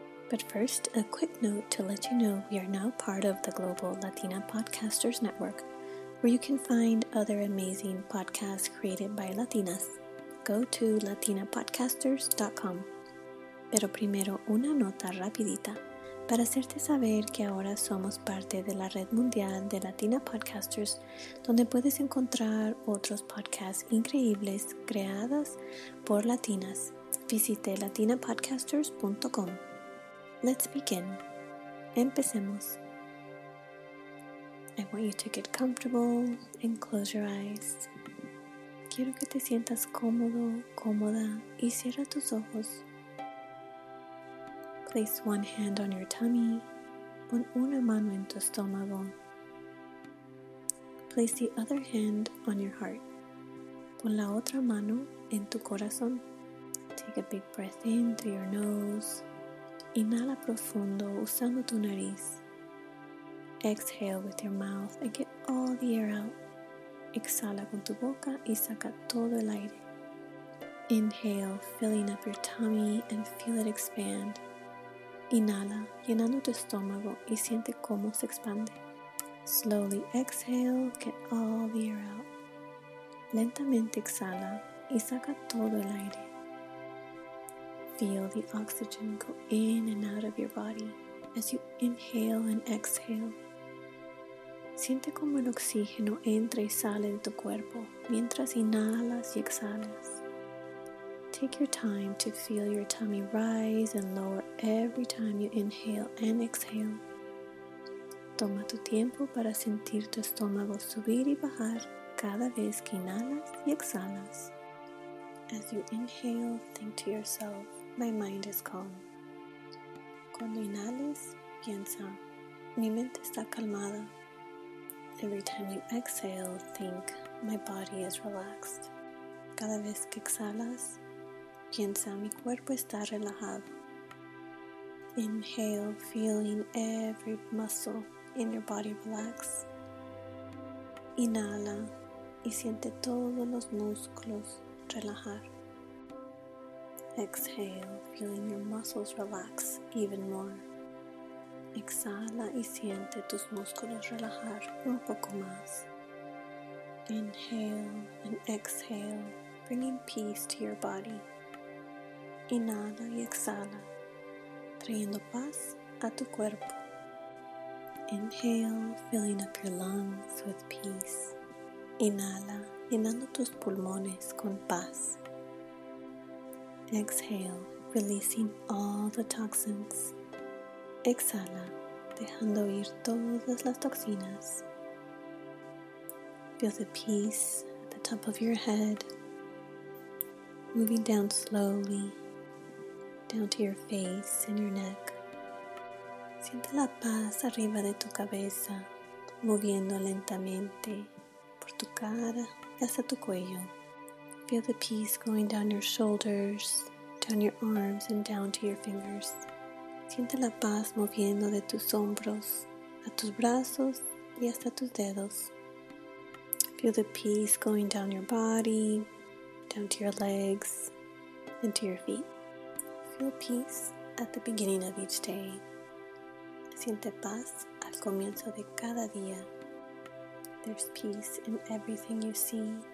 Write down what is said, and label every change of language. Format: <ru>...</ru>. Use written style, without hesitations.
<en>But first, a quick note to let you know we are now part of the Global Latina Podcasters Network, where you can find other amazing podcasts created by Latinas. Go to latinapodcasters.com.</en> <es>Pero primero una nota rapidita para hacerte saber que ahora somos parte de la red mundial de Latina Podcasters, donde puedes encontrar otros podcasts increíbles creadas por Latinas. Visite latinapodcasters.com.</es> <en>Let's begin.</en> <es>Empecemos.</es> <en>I want you to get comfortable and close your eyes.</en> <es>Quiero que te sientas cómodo, cómoda, y cierra tus ojos.</es> <en>Place one hand on your tummy.</en> <es>Pon una mano en tu estómago.</es> <en>Place the other hand on your heart.</en> <es>Pon la otra mano en tu corazón.</es> <en>Take a big breath in through your nose.</en> <es>Inhala profundo usando tu nariz.</es> <en>Exhale with your mouth and get all the air out.</en> <es>Exhala con tu boca y saca todo el aire.</es> <en>Inhale, filling up your tummy and feel it expand.</en> <es>Inhala, llenando tu estómago y siente cómo se expande.</es> <en>Slowly exhale, get all the air out.</en> <es>Lentamente exhala y saca todo el aire.</es> <en>Feel the oxygen go in and out of your body as you inhale and exhale.</en> <es>Siente cómo el oxígeno entra y sale de tu cuerpo mientras inhalas y exhalas.</es> <en>Take your time to feel your tummy rise and lower every time you inhale and exhale.</en> <es>Toma tu tiempo para sentir tu estómago subir y bajar cada vez que inhalas y exhalas.</es> <en>As you inhale, think to yourself, "My mind is calm."</en> <es>Cuando inhales, piensa, "Mi mente está calmada."</es> <en>Every time you exhale, think, "My body is relaxed."</en> <es>Cada vez que exhalas, piensa, "Mi cuerpo está relajado."</es> <en>Inhale, feeling every muscle in your body relax.</en> <es>Inhala, y siente todos los músculos relajar.</es> <en>Exhale, feeling your muscles relax even more.</en> <es>Exhala y siente tus músculos relajar un poco más.</es> <en>Inhale and exhale, bringing peace to your body.</en> <es>Inhala y exhala, trayendo paz a tu cuerpo.</es> <en>Inhale, filling up your lungs with peace.</en> <es>Inhala, llenando tus pulmones con paz.</es> <en>Exhale, releasing all the toxins.</en> <es>Exhala, dejando ir todas las toxinas.</es> <en>Feel the peace at the top of your head. Moving down slowly, down to your face and your neck.</en> <es>Siente la paz arriba de tu cabeza, moviendo lentamente por tu cara hasta tu cuello.</es> <en>Feel the peace going down your shoulders, down your arms and down to your fingers.</en> <es>Siente la paz moviendo de tus hombros, a tus brazos y hasta tus dedos.</es> <en>Feel the peace going down your body, down to your legs, and to your feet. Feel peace at the beginning of each day.</en> <es>Siente paz al comienzo de cada día.</es> <en>There's peace in everything you see.</en>